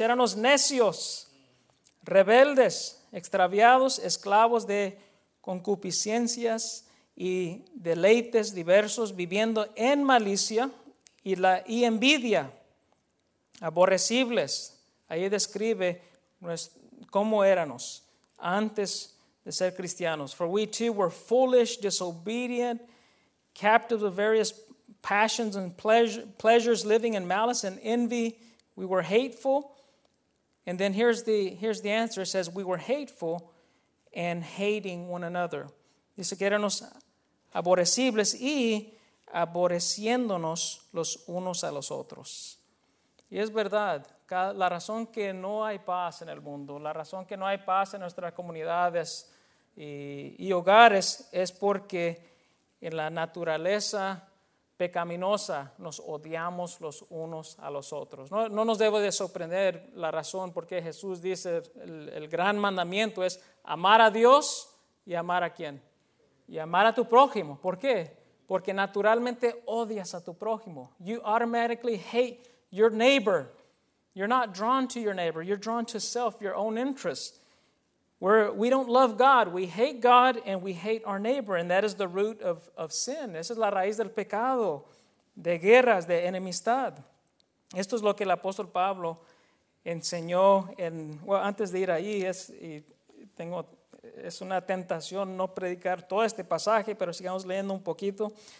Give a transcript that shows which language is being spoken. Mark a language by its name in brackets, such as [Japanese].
[Spanish] Éramos necios, rebeldes, extraviados, esclavos de concupiscencias y deleites diversos, viviendo en malicia y envidia, aborrecibles. Ahí describe cómo éramos antes de ser cristianos. [English] For we too were foolish, disobedient, captives of various passions and pleasures, living in malice and envy. We were hateful. And then here's the answer. It says we were hateful and hating one another. [Spanish] Dice que éramos aborrecibles y aborreciéndonos los unos a los otros. Y es verdad. La razón que no hay paz en el mundo, la razón que no hay paz en nuestras comunidades y hogares es porque en la naturaleza pecaminosa nos odiamos los unos a los otros. No nos debo de sorprender la razón porque Jesús dice el gran mandamiento es amar a Dios y amar a quién. Y amar a tu prójimo. ¿Por qué? Porque naturalmente odias a tu prójimo. [English] You automatically hate your neighbor. You're not drawn to your neighbor. You're drawn to self, your own interests. We don't love God. We hate God and we hate our neighbor. And that is the root of sin. [Spanish] Esa es la raíz del pecado, de guerras, de enemistad. Esto es lo que el apóstol Pablo enseñó. Antes de ir ahí, es una tentación no predicar todo este pasaje, pero sigamos leyendo un poquito.